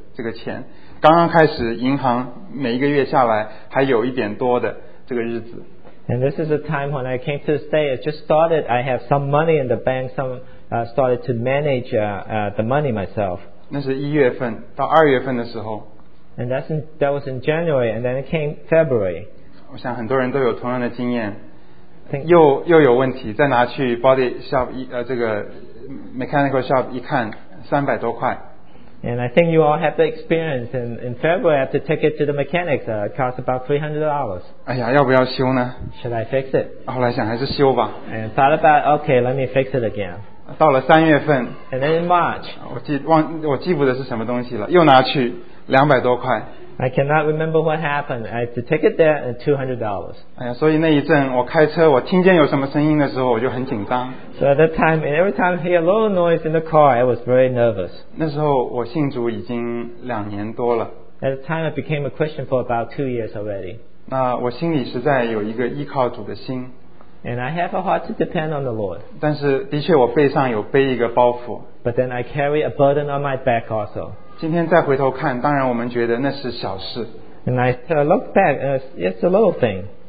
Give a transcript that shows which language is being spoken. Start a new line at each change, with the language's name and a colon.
Chinese: 这个钱刚刚开始，银行每一个月下来还有一点多的这个日子。
English: And this is a time when I came to stay. It just started. I have some money in the bank. Started to manage the money myself.
Chinese: 那是一月份到二月份的时候。
English: And that was in January. And then it came February.
Chinese: 我想很多人都有同样的经验。又有问题，再拿去 body shop 这个 mechanical shop 一看，300多块。
English: And I think you all have the experience. In February, I have to take it to the mechanics. It costs about $300.
Chinese: 哎呀，要不要修呢
English: ？Should I fix it?
Chinese: 后来想还是修吧。
English: And thought about, okay, let me fix it again.
Chinese: 到了三月份。
English: And then in March.
Chinese: 我记不得是什么东西了，又拿去200多块。
English: I cannot remember what happened. I had to take it there and $200.
Chinese: 所以那一阵我开车，我听见有什么声音的时候，我就很紧张。
English: So at that time, and every time I hear a little noise in the car, I was very nervous.
Chinese: 那时候我信主已经两年多了。
English: At the time, I became a Christian for about 2 years already.
Chinese: 那我心里实在有一个依靠主的心。
English: And I have a heart to depend on the Lord.
Chinese: 但是的确我背上有背一个包袱。
English: But then I carry a burden on my back also.
Chinese: 今天再回头看，当然我们觉得那是小事。
English: And I look back, it's a little thing.